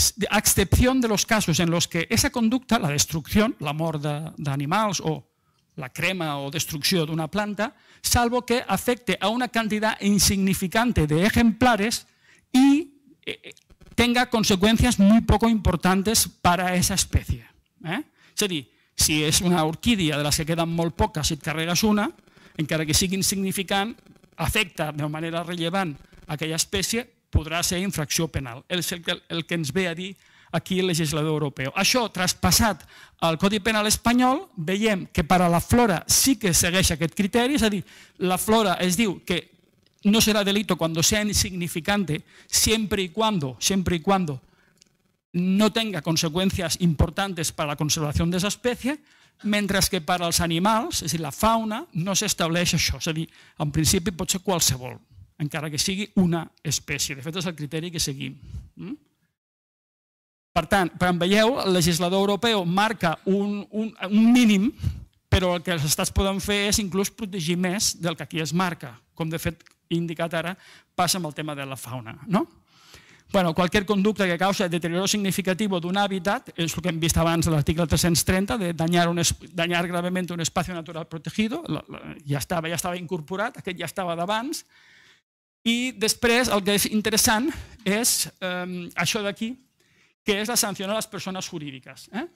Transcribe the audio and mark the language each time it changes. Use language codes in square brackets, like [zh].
[es] a excepción de los casos en los que esa conducta, la destrucción, [ca] la mort d'animals o la crema o destrucció d'una planta, [es] salvo que afecte a una cantidad insignificante de ejemplares y tenga consecuencias muy poco importantes para esa especie. [ca] És a dir, si és una orquídea de les que queden molt poques i et carregues una, encara que sigui insignificant, afecta de manera rellevant aquella espècie, podrà ser infracció penal. És el que ens ve a dir aquí el legislador europeu. Això, traspassat al Codi Penal espanyol, veiem que per a la flora sí que segueix aquest criteri, és a dir, la flora es diu que no serà [es] delito cuando sea insignificante, siempre y cuando no tenga consecuencias importantes para la conservación de esa especie, mientras que para los animales, es decir, la fauna, no se establece eso. Es decir, en principio puede ser cualquiera, [ca] encara que sigui una especie. [es] De hecho, es el criterio que seguimos. [ca] Per tant, quan veieu, el legislador europeo marca un mínim, però el que els estats poden fer és inclús protegir més del que aquí es marca, com de fet indicat ara, passa amb el tema de la fauna. Bueno, [es] cualquier conducta que causa deterioro significativo [ca] d'un hàbitat, és el que hem vist abans de l'article 330, de danyar gravement un espai natural protegit, ja estava incorporat, aquest ja estava d'abans, i després el que és interessant és això d'aquí, que és la sanció a les persones jurídiques,